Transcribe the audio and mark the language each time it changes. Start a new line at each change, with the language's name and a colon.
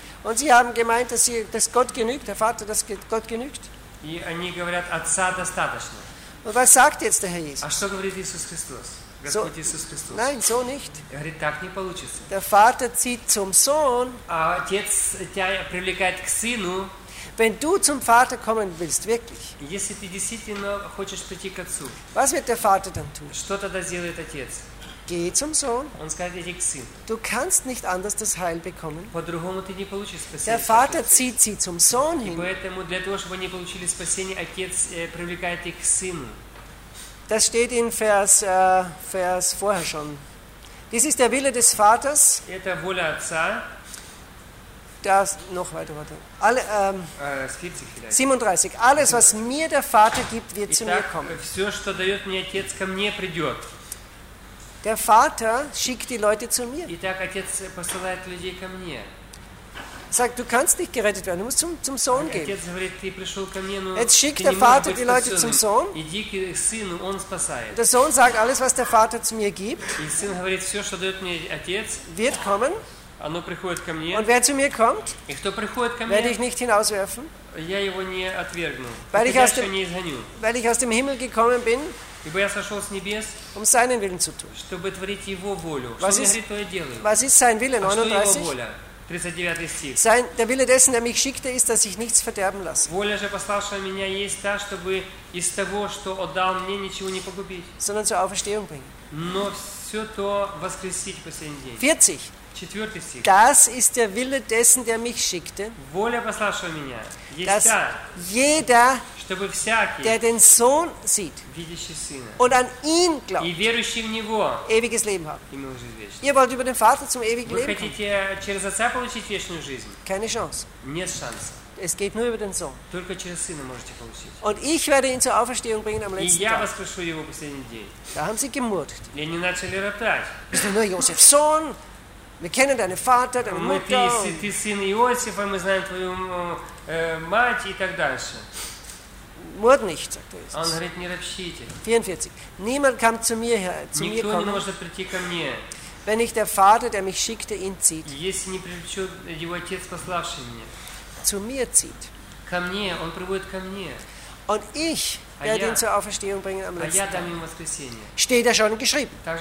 German: Und sie haben gemeint, dass sie, dass Gott genügt, der Vater, dass Gott genügt.
Russian: И они говорят, отца достаточно.
German: Und was sagt jetzt der Herr Jesus?
Russian: А что говорит Иисус Христос? Господь Иисус Христос.
German: Nein, so nicht. Er
Russian: говорит, так не получится.
German: Der Vater zieht zum Sohn.
Russian: А отец тебя привлекает к сыну.
German: Wenn du zum Vater kommen willst, wirklich.
Russian: Если ты действительно хочешь прийти к отцу.
German: Was wird der Vater dann tun?
Russian: Что тогда сделает отец?
German: Geh zum Sohn.
Russian: Он скажет, иди к сыну.
German: Du kannst nicht anders das Heil bekommen.
Russian: По-другому ты не получишь спасение.
German: Der Vater zieht sie zum Sohn hin.
Russian: И поэтому для того, чтобы они получили спасение, отец привлекает их к сыну.
German: Das steht in Vers vorher schon. Dies ist der Wille des Vaters.
Russian: Это воля отца.
German: Das noch weiter, warte. Alle, 37. Alles, was mir der Vater gibt, wird
Russian: Итак,
German: zu mir kommen.
Russian: Все, что дает мне отец, ко мне придет.
German: Der Vater schickt die Leute zu mir.
Russian: Итак, отец посылает людей ко мне.
German: Sagt, du kannst nicht gerettet werden, du musst zum Sohn gehen.
Russian: Отец говорит, ты пришел ко мне, но
German: jetzt schickt der Vater die Leute zum Sohn.
Russian: Иди к сыну, он спасает.
German: Der Sohn sagt, alles, was der Vater zu mir gibt,
Russian: и сын говорит, все, что дает мне отец,
German: wird kommen.
Russian: Оно приходит ко мне.
German: Und wer zu mir kommt,
Russian: и кто приходит ко мне,
German: werde ich nicht hinauswerfen,
Russian: я его не отвергну,
German: weil ich aus
Russian: не изгоню.
German: Weil ich aus dem Himmel gekommen bin,
Russian: ибо я сошел с небес,
German: um seinen Willen zu tun.
Russian: Чтобы творить его волю.
German: Was
Russian: что
German: ist,
Russian: говорит, то я делаю.
German: Was ist sein Wille? 39?
Russian: А что его воля? 39 стих.
German: Sein, der Wille dessen, der mich schickte, ist, dass ich nichts verderben lasse.
Russian: Воля же пославшего меня есть та, чтобы из того, что отдал мне, ничего не погубить.
German: Sondern zur Auferstehung bringen.
Russian: Но все то воскресить в последний день.
German: 40.
Russian: 4. Стих.
German: Das ist der Wille dessen, der mich schickte.
Russian: Воля пославшего меня.
German: Dass
Russian: та,
German: jeder,
Russian: чтобы всякий,
German: der den Sohn sieht,
Russian: видящий сына,
German: und an ihn glaubt,
Russian: и верующий в него,
German: ewiges Leben hat.
Russian: Имел жизнь вечную.
German: Ihr wollt über den Vater zum ewigen
Russian: Вы
German: Leben
Russian: хотите
German: kommen.
Russian: Через отца получить вечную жизнь?
German: Keine Chance.
Russian: Нет шанса.
German: Es geht nur über den Sohn.
Russian: Только через сына можете получить.
German: Und ich werde ihn zur Auferstehung bringen am letzten Tag.
Russian: И я воскрешу его в последний день.
German: Da haben sie gemurrt.
Russian: И они начали ротать.
German: Ist nur Josef Sohn. Wir kennen deinen Vater, deine Mutter.
Russian: Ты сын Иосифа, мы знаем твою мать и так дальше.
German: Мурд nicht, sagt Jesus.
Russian: Он говорит, не ропщите.
German: 44. Niemand kam zu mir her, zu
Russian: Никто
German: mir kommen,
Russian: не может прийти ко мне.
German: Wenn nicht der Vater, der mich schickte, ihn zieht.
Russian: Если не привлечет его отец, пославший меня.
German: Zu mir zieht.
Russian: Ко мне, он приводит ко мне.
German: Und ich werde ihn zur Auferstehung bringen am letzten Tag. Steht ja schon geschrieben.